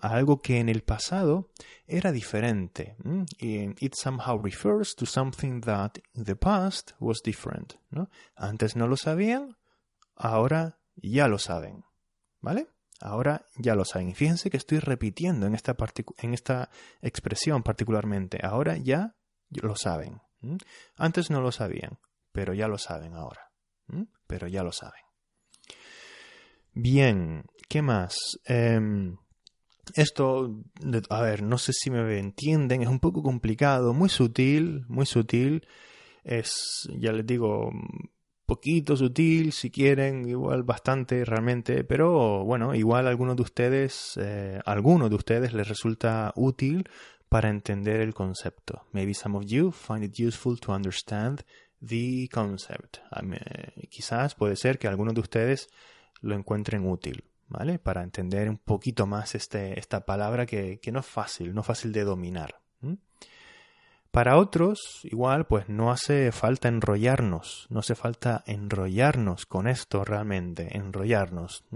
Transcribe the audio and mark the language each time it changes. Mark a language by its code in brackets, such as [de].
[es] A algo que en el pasado era diferente. [en] Y it somehow refers to something that in the past was different, [es] ¿no? Antes no lo sabían, ahora ya lo saben, ¿vale? Ahora ya lo saben. Y fíjense que estoy repitiendo en esta expresión particularmente. Ahora ya lo saben. Antes no lo sabían, pero ya lo saben ahora. Pero ya lo saben. Bien, ¿qué más? Esto, a ver, no sé si me entienden, es un poco complicado, muy sutil. Es, ya les digo, poquito sutil, si quieren, igual bastante realmente, pero bueno, igual a algunos de ustedes les resulta útil para entender el concepto. [en] Maybe some of you find it useful to understand the concept. [es] Quizás puede ser que algunos de ustedes lo encuentren útil, ¿vale? Para entender un poquito más esta palabra que no es fácil de dominar. Para otros, igual, pues no hace falta enrollarnos. No hace falta enrollarnos con esto realmente. Enrollarnos.